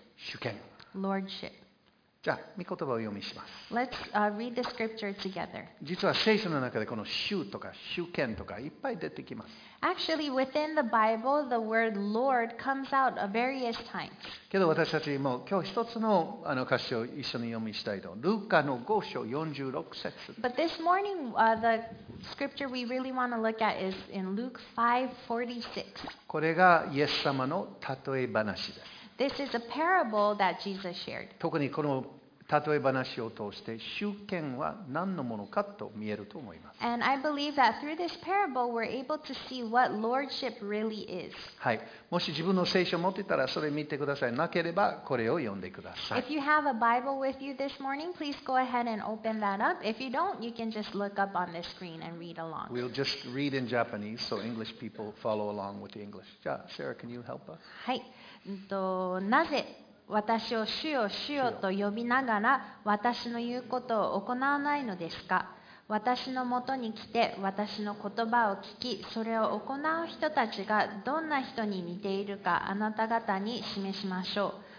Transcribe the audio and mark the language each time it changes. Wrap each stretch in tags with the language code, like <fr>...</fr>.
<ja>主権。</ja> <en>Lordship.</en> <ja>じゃあ御言葉を読みします。</ja> <en>Let's read the scripture together.</en> <ja>実は聖書の中でこの主とか主権とかいっぱい出てきます。</ja> <en>Actually, within the Bible, the word Lord comes out various times.</en> <ja>けど私たちも今日一つの箇所を一緒に読みしたいと、ルカの5章46節。</ja> <en>But this morning, the scripture we really want to look at is in Luke 5:46.</en> <ja>これがイエス様の例え話です。</ja> <en>This is a parable that Jesus shared.</en> <ja>特にこの例え話を通して主権は何のものかと見えると思います。</ja> <en>And I believe that through this parable, we're able to see what lordship really is.</en> <ja>はい。もし自分の聖書を持っていたらそれを見てください。なければこれを読んでください。</ja> <en>If you have a Bible with you this morning, please go ahead and open that up. If you don't, you can just look up on the screen and read along. We'll just read in Japanese so English people follow along with the English. じゃあ、Sarah, can you help us?</en> <ja>はい。なぜ私を主よ主よと呼びながら私の言うことを行わないのですか。私のもとに来て私の言葉を聞き、それを行う人たちがどんな人に似ているかあなた方に示しましょう。</ja>